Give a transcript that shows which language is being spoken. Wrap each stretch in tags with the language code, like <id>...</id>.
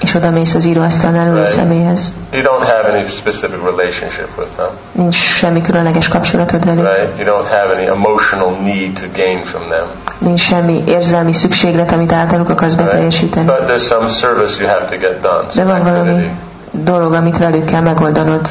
<hu>És oda mész az íróasztalnál ülő személyhez.</hu> <en>You don't have any specific relationship with them.</en> <hu>Nincs semmi különleges kapcsolatod velük.</hu> <en>Right? You don't have any emotional need to gain from them.</en> <hu>Nincs semmi érzelmi szükséglet, amit általuk akarsz beteljesíteni.</hu> <en>But there's some service you have to get done.</en> <hu>De van valami dolog, amit velük kell megoldanod.</hu>